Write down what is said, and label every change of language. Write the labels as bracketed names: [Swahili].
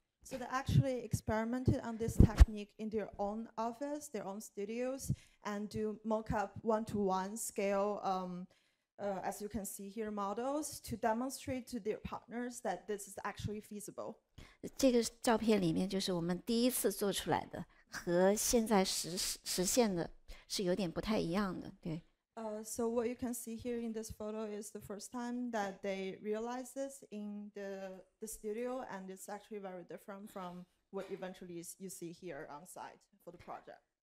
[English] So they actually experimented on this technique in their own office, their own studios, and do mock-up one-to-one scale, as you can see here, models, to demonstrate to their partners that this is actually feasible. [Chinese] 这个照片里面就是我们第一次做出来的，和现在实现的是有点不太一样的，对。So [English] what you can see here in this photo is the first time that they realize this in the studio, and it's actually very different from what eventually you see here on site for the project.